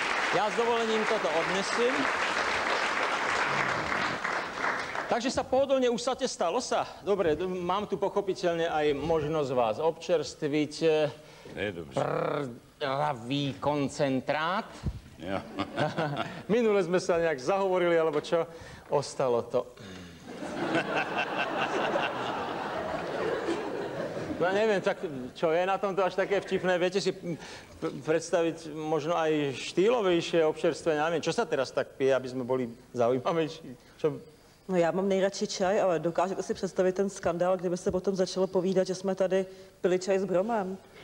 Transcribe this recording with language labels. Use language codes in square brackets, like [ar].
[sk] Ja s dovolením toto odnesím. Takže sa pohodlne usadte, stalo sa. Dobre, mám tu pochopiteľne aj možnosť vás občerstviť. Pravý koncentrát. Ja. Minule sme sa nejak zahovorili, alebo čo? Ostalo to. Ja neviem, tak čo je na tomto až také vtipné, viete si predstaviť možno aj štýlovejšie občerstvenie, neviem, čo sa teraz tak pije, aby sme boli zaujímavejší? Čo... [cs] No já mám nejradši čaj, ale dokážete si představit ten skandál, kde by se potom začalo povídat, že jsme tady pili čaj s bromem.